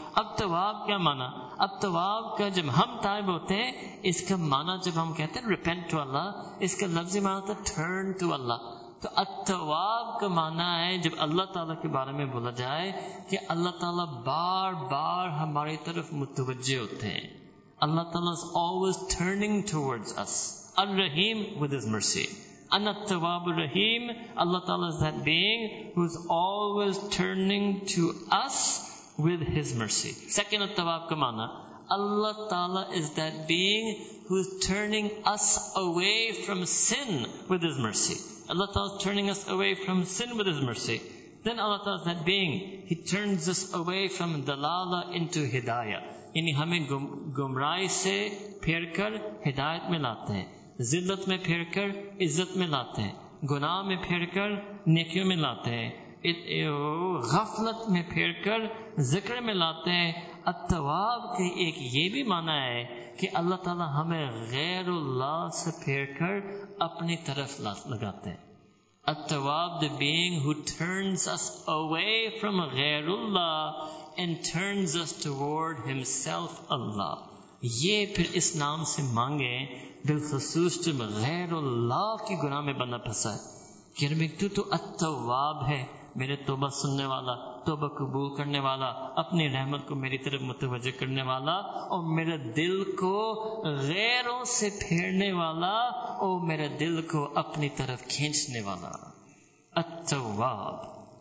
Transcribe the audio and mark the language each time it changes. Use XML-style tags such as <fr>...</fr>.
<ur>اب تواب کیا معنی, اب تواب کا جب ہم تائب ہوتے ہیں اس کا معنی, جب ہم کہتے ہیں</ur> <en>repent to Allah,</en> <ur>اس کا لفظی معنی ہوتا ہے</ur> <en>Turn to Allah.</en> <ur>تو التواب کا معنی ہے جب اللہ تعالیٰ کے بارے میں بولا جائے کہ اللہ تعالیٰ بار بار ہماری طرف متوجہ ہوتے ہیں.</ur> <en>اللہ تعالیٰ is always turning towards us, الرحیم with his mercy.</en> <ar>انا التواب الرحیم,</ar> <en>اللہ تعالیٰ is that being who is always turning to us with his mercy. Second</en> <ur>التواب کا معنی,</ur> <en>اللہ تعالیٰ is that being who is turning us away from sin with his mercy. Allah Ta'ala is turning us away from sin with His mercy. Then Allah Ta'ala is that being, He turns us away from dalala into hidayah.</en> <ur>یعنی ہمیں گمرائی سے پھیر کر ہدایت میں لاتے ہیں, ذلت میں پھیر کر عزت میں لاتے ہیں, گناہ میں پھیر کر نیکیوں میں لاتے ہیں, غفلت میں پھیر کر ذکر میں لاتے ہیں. التواب کے ایک یہ بھی معنی ہے کہ اللہ تعالیٰ ہمیں غیر اللہ سے پھیر کر اپنی طرف لگاتے ہیں.</ur> <en>التواب the being who turns us away from غیر Allah and turns us toward himself Allah.</en> <ur>یہ پھر اس نام سے مانگیں, بالخصوص جب غیر اللہ کی گناہ میں بندہ پھنسا ہے, کہ ربی تو التواب ہے, میرے توبہ سننے والا, توبہ قبول کرنے والا, اپنی رحمت کو میری طرف متوجہ کرنے والا, اور میرے دل کو غیروں سے پھیرنے والا, اور میرے دل کو اپنی طرف کھینچنے والا, التواب.</ur>